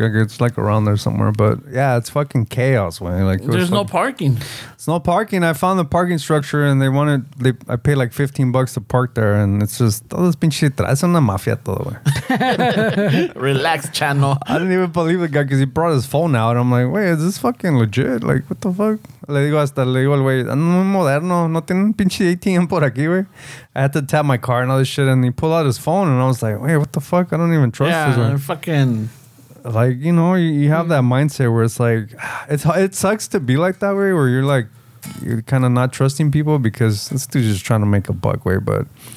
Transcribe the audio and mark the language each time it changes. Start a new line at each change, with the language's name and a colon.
English: Like, it's like around there somewhere, but yeah, it's fucking chaos, man. Like, there's fucking, no parking. It's no parking. I found the parking structure and I paid like $15 to park there, and it's just,
Spanish: todos pinches traes una mafia todo, güey.
English: Relax, channel. I didn't even believe the guy because he brought his phone out. I'm like, wait, is this fucking legit? Like, what the fuck?
Spanish: Le digo hasta, le digo al güey, muy moderno, no tienen pinche ATM por aquí, güey.
English: I had to tap my car and all this shit, and he pulled out his phone, and I was like, wait, what the fuck? I don't even trust this one. Yeah, fucking... Like, you know, you have that mindset where it's like, it sucks to be like that way, where you're like, you're kind of not trusting people because this dude's just trying to make a buck, way, but...